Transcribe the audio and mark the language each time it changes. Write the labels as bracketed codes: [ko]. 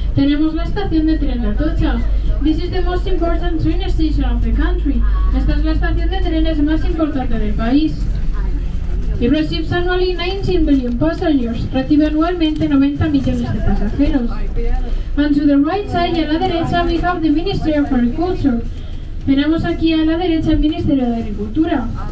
[es] Tenemos la estación de tren de Atocha. [en] This is the most important train station of the country. [es] Esta es la estación de trenes más importante del país. [en] It receives annually 19 million passengers. [es] Recibe anualmente 90 millones de pasajeros. [en] And to the right side, [es] y a la derecha, [en] we have the Ministry of Agriculture. [es] Tenemos aquí a la derecha el Ministerio de Agricultura.